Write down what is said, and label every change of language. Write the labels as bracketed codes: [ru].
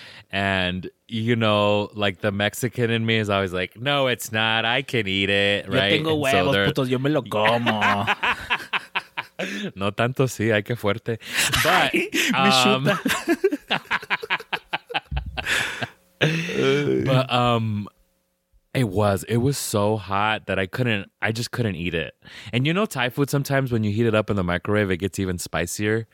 [en] And, you know, like, the Mexican in me is always like, no, it's not. I can eat it, right? [es] Yo tengo huevos, putos. Yo me lo como. No tanto, sí, hay que fuerte. [en] But, it was so hot that I just couldn't eat it. And you know Thai food sometimes when you heat it up in the microwave, it gets even spicier.